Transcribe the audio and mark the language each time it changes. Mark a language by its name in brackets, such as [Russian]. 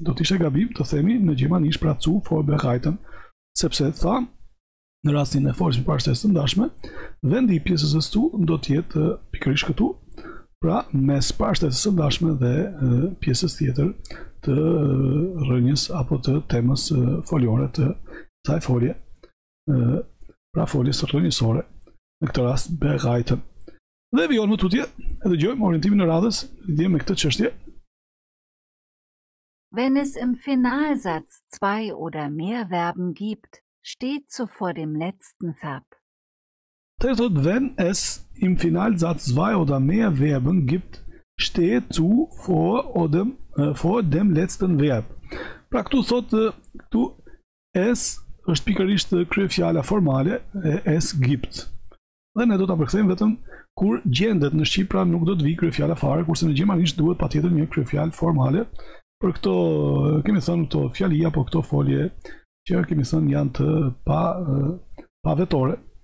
[Albanian] Do të ishte gabim të themi në gjermanisht, pra zu vorbereiten, sepse tha, në rastin e forcës parashtesë të ndashme, vendi i pjesës së cu do të jetë pikërisht këtu, pra mes parashtesës së ndashme dhe pjesës tjetër të rënjes apo të temës foliore të kësaj folje, pra foljes rënjësore, në këtë rast bereiten. Dhe vijon më tutje, e dëgjojmë orientimin e radhës, lidhje me këtë çështje. [German] Wenn es im Finalsatz zwei oder mehr Verben gibt, steht zuvor dem letzten Verb. Tretot, wenn es im Finalsatz zwei oder mehr Verben gibt, steht zu vor dem, vor dem letzten Verb. [Albanian] Pra këtu thot, këtu es është pikërisht kryefjala formale, es gibt. Dhe ne do ta përkthejmë vetëm kur gjendet në Shqip, pra nuk do të vi kryefjala fare, kurse në gjermanisht duhet patjetër një kryefjalë formale. Për këto, kemi thënë këto fjali apo këto folje që kemi thënë janë të pa vetore.